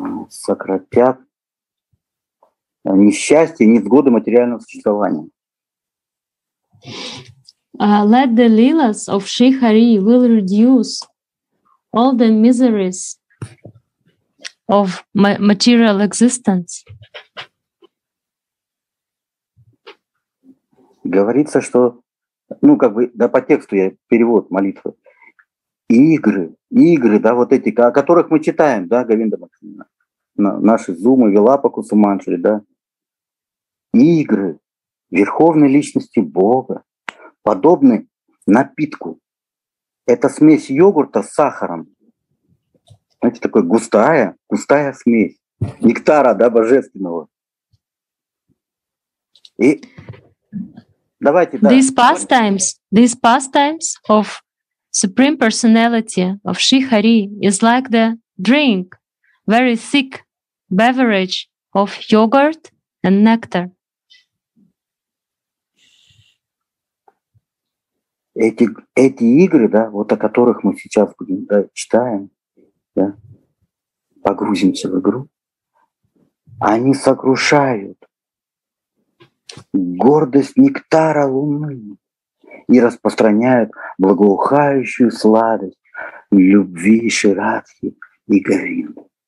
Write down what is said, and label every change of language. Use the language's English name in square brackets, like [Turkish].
[Russian] Сократят несчастье, невзгоды материального существования. [English] Let the lilas of Shri Hari will reduce all the miseries of material existence. [Russian] Говорится, что, да, по тексту я перевод молитвы. Игры, да, вот эти, о которых мы читаем, да, Говинда Махарана, наши зумы, Вилапаку Суманджали, да. Игры верховной личности Бога подобны напитку. Это смесь йогурта с сахаром. Знаете, такая густая смесь. Нектара, да, божественного. И давайте, да. [English] These pastimes of Supreme Personality of Shri Hari is like the drink, very thick beverage of yogurt and nectar. [Russian] Эти игры, да, вот о которых мы сейчас будем, да, читаем, да, погрузимся в игру, они сокрушают гордость нектара луны и распространяют благоухающую сладость любви Ширадхи и Говинды.